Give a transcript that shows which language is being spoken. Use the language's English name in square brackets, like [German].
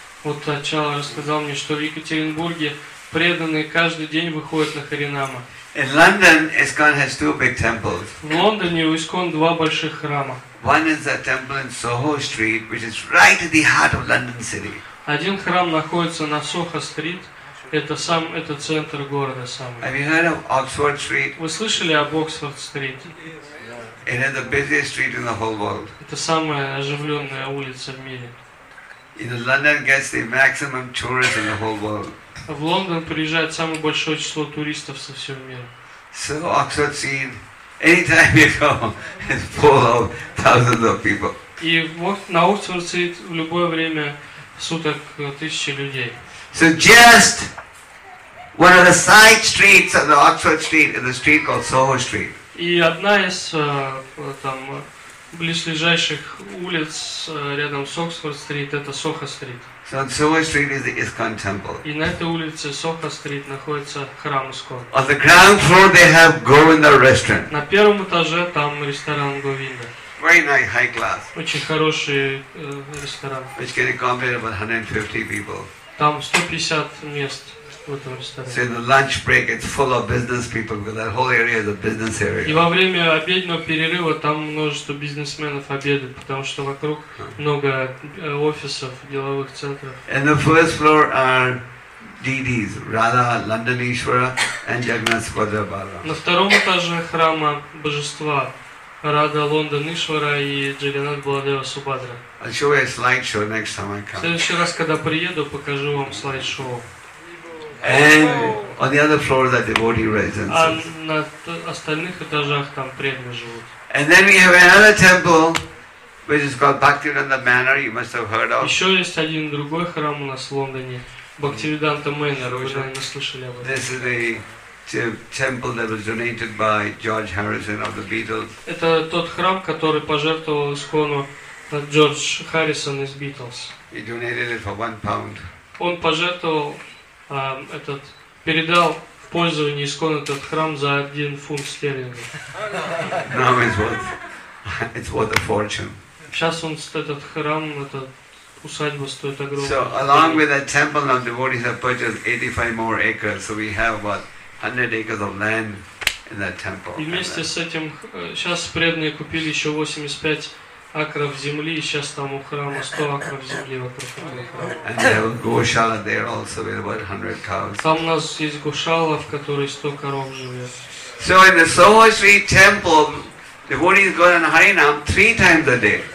[Russian] Вот Ачала рассказал мне, что в Екатеринбурге преданные каждый день выходят на Харинама. [English] In London, ISKCON has two big temples. [Russian] В Лондоне у ISKCON два больших храма. [English] One is a temple in Soho Street, which is right at the heart of London City. [Russian] Один храм находится на Soho Street. Это сам, это центр города сам. [English] Have you heard of Oxford Street? [Russian] Вы слышали об Oxford Street? [English] It is the busiest street in the whole world. [Russian] Это самая оживленная улица в мире. [English] In London gets the maximum tourists in the whole world. [Russian] В Лондон приезжает самое большое число туристов со всего мира. [English] So Oxford Street, anytime you go, it's full of thousands of people. [Russian] И вот на Oxford Street в любое время суток тысячи людей. [English] So just one of the side streets of the Oxford Street is a street called Soho Street. [Russian] И одна из там близлежащих улиц рядом с Oxford Street это Soho Street. [English] So on Soho Street is the ISKCON Temple. [Russian] И на этой улице Soho Street находится храм ISKCON. [English] On the ground floor they have Govinda restaurant. [Russian] На первом этаже там ресторан Govinda. [English] Very nice, high class. [Russian] Очень хороший ресторан. [English] Which can accommodate about 150 people. [Russian] Там 150 мест. В этом [English] so in the lunch break, it's full of business people because that whole area is a business area. [Russian] И во время обеденного перерыва там множество бизнесменов обедают, потому что вокруг много офисов, деловых центров. [English] And the first floor are DDs, Radha, Landanishwara, and Jagannath Squadrabala. [Russian] На втором этаже храма Божества Радха, Ланданишвара и Джаганнат Баладева Субхадра. [English] I'll show you a slideshow next time I come. [Russian] В следующий раз, когда приеду, покажу вам слайд-шоу. [English] And on the other floor are devotee residences. [Russian] А на остальных этажах там преданные живут. [English] And then we have another temple, which is called Bhaktivedanta Manor. You must have heard of. [Russian] Еще есть один другой храм у нас в Лондоне, Бхактивиданта Мэйнер. Вы, наверное, слышали об этом. [English] This is the temple that was donated by George Harrison of the Beatles. [Russian] Это тот храм, который пожертвовал ИСКОНу Джордж Харрисон из Beatles. [English] He donated it for £1. [Russian] Он пожертвовал. Этот передал пользование исконно этот храм за 1 фунт стерлингов. [English] Now it's worth a fortune. [Russian] Сейчас он этот храм, этот усадьба стоит огромное. [English] So along with that temple, now devotees have purchased 85 more acres. So we have about 100 acres of land in that temple. [Russian] И вместе с этим сейчас преданные купили еще 85 акров земли, и сейчас там у храма 100 акров земли вокруг храма. [English] There also with about 100 cows. [Russian] Там у нас есть гошала, в которой 100 коров живет. [English] So in the Soho Street temple, devotees go on Harinam 3 times a day.